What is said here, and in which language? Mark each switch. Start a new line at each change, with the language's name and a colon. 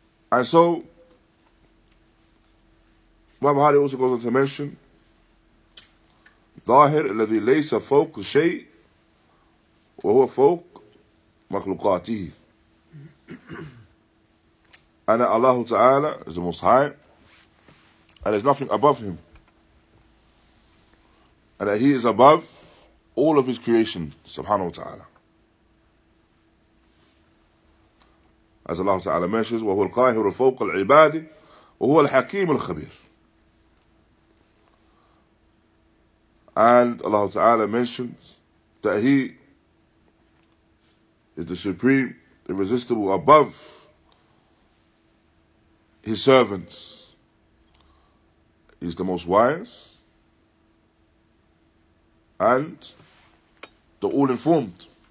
English: And so, Imaam Barbahaaree also goes on to mention,
Arabic: ظاهر الذي ليس فوق شيء وهو فوق مخلوقاته. أنا الله تعالى
English: is the Most High, and there's nothing above him, and that he is above all of his creation, subhanahu wa ta'ala. As Allah تعالى mentions,
Arabic: وهو القاهر فوق العباد وهو الحكيم الخبير.
English: And Allah Ta'ala mentions that he is the supreme, irresistible, above his servants. He's the most wise and the all-informed.